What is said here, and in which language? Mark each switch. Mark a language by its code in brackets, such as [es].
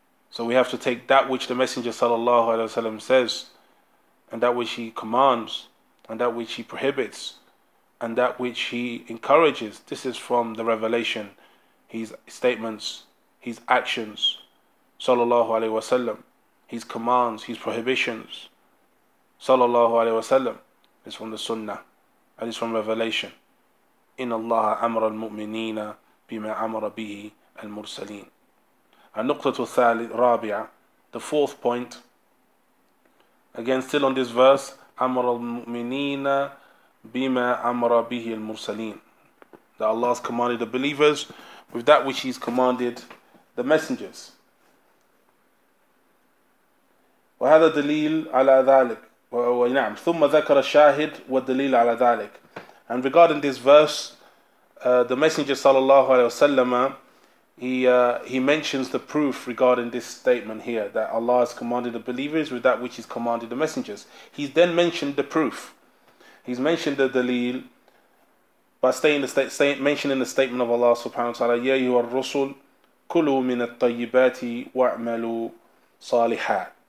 [en] So we have to take that which the messenger sallallahu alaihi wasallam says, and that which he commands, and that which he prohibits, and that which he encourages. This is from the revelation, his statements, his actions, sallallahu alaihi wasallam, his commands, his prohibitions, sallallahu alaihi wasallam, is from the sunnah, and it's from revelation. [ar] إن الله أمر المؤمنين بما أمر به المرسلين. النقطة الثالثة الرابعة, [en] the fourth point. Again, still on this verse, [ar] أمر المؤمنين بما أمر به المرسلين. [en] That Allah has commanded the believers with that which He's commanded the messengers. [ar] وهذا دليل على ذلك. ونعم ثم ذكر الشاهد والدليل على ذلك. [en] And regarding this verse, the Messenger sallallahu alaihi wasallam, he mentions the proof regarding this statement here that Allah has commanded the believers with that which He's commanded the messengers. He's then mentioned the proof. He's mentioned the dalil by mentioning the statement of Allah subhanahu wa ta'ala, [ar] Ya ayyuhar rusul, kulu min at-tayyibati wa'malu salihah.